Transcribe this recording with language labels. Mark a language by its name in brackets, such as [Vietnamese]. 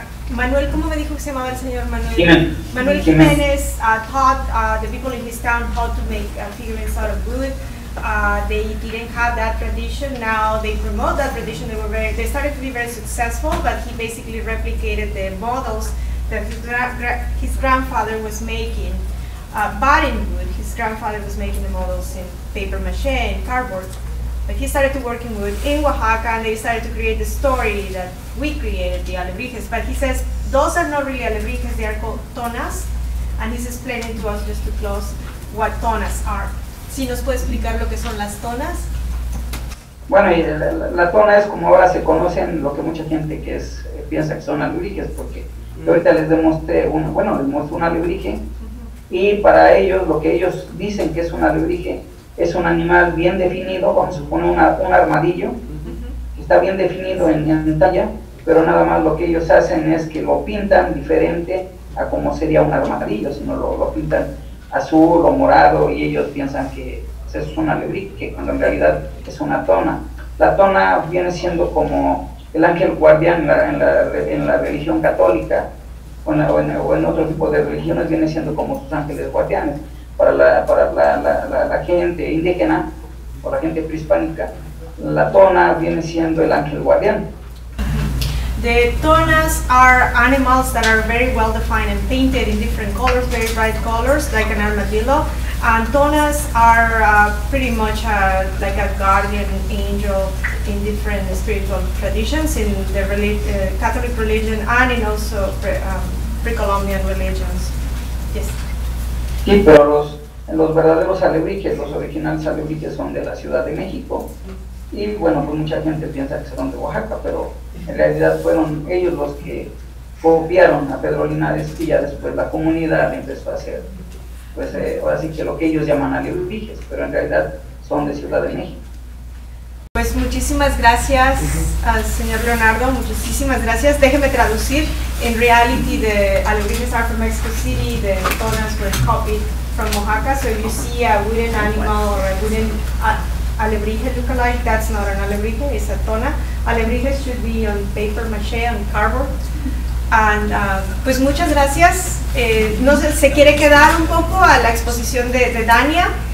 [Spanish] Manuel, ¿cómo me dijo que se llamaba el señor Manuel? [English] Manuel Jiménez taught the people in his town how to make figurines out of wood. They didn't have that tradition. Now they promote that tradition. They started to be very successful, but he basically replicated the models that his grandfather was making, but in wood. His grandfather was making the models in paper mache and cardboard. But he started to work in wood in Oaxaca, and they started to create the story that we created, the alebrijes. But he says, those are not really alebrijes, they are called tonas. And he's explaining to us, just to close, what tonas are. [Spanish] ¿Sí nos puede explicar lo que son las tonas? Bueno, y la tona es como ahora se conocen lo que mucha gente que es piensa que son alebrijes, porque ahorita les demostré un alebrije. Uh-huh. Y para ellos, lo que ellos dicen que es un alebrije, es un animal bien definido, vamos a suponer un armadillo, uh-huh, que está bien definido en talla, pero nada más lo que ellos hacen es que lo pintan diferente a como sería un armadillo, sino lo pintan azul o morado, y ellos piensan que es un alebrije, cuando en realidad es una tona. La tona viene siendo como el ángel guardián en la religión católica, o en otro tipo de religiones, viene siendo como sus ángeles guardianes. Para la gente indígena, o la gente prehispánica, la tona viene siendo el ángel guardián. [English] The tonas are animals that are very well defined and painted in different colors, very bright colors, like an armadillo. And tonas are pretty much like a guardian angel in different spiritual traditions, in the Catholic religion and in also pre-Columbian religions. Yes. [Spanish] Sí, pero los verdaderos alebrijes, los originales alebrijes son de la Ciudad de México. Y bueno, pues mucha gente piensa que son de Oaxaca, pero en realidad fueron ellos los que copiaron a Pedro Linares y ya después la comunidad empezó a hacer, pues ahora sí que lo que ellos llaman alebrijes, pero en realidad son de Ciudad de México. Pues muchísimas gracias al señor Leonardo, muchísimas gracias. Déjeme traducir. [English] In reality, the alebrijes are from Mexico City, the tonas were copied from Oaxaca, so if you see a wooden animal or a wooden alebrije lookalike, that's not an alebrije, it's a tona. Alebrijes should be on paper mache, on cardboard. And [Spanish] pues muchas gracias. No sé, ¿se quiere quedar un poco a la exposición de Dania?